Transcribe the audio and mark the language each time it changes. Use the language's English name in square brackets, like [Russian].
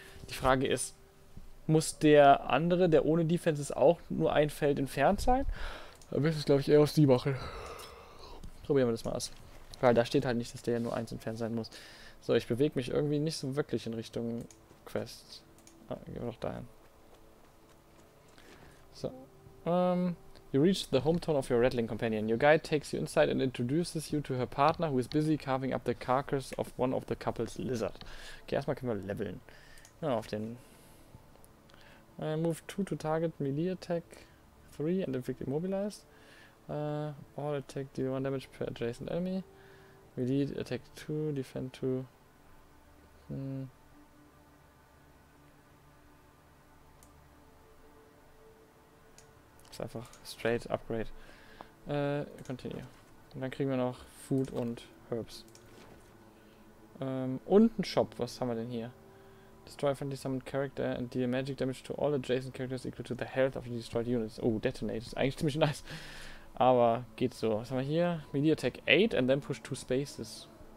[German] Die Frage ist, muss der andere, der ohne Defense ist, auch nur ein Feld entfernt sein? Da müsste ich, glaube ich, eher auf sie machen. Probieren wir das mal aus. Weil da steht halt nicht, dass der ja nur eins entfernt sein muss. So, ich bewege mich irgendwie nicht so wirklich in Richtung Quest. Ah, gehen wir doch dahin. So. [English] You reach the hometown of your Rattling Companion. Your guide takes you inside and introduces you to her partner, who is busy carving up the carcass of one of the couple's lizard. Okay, [German] erstmal können wir leveln. Ja, auf den. [English] I move 2 to target melee attack 3 and inflict immobilized. All attack deal 1 damage per adjacent enemy. Melee attack 2, defend 2. [German] Ist einfach [English] straight upgrade. Continue. [German] Und dann kriegen wir noch Food und Herbs. Und ein Shop. Was haben wir denn hier? [English] Destroy a friendly summoned character and deal magic damage to all adjacent characters equal to the health of the destroyed units. [German] Oh, detonate. Ist eigentlich ziemlich nice. Aber geht so. Was haben wir hier? [English] Melee attack 8 and then push 2 spaces.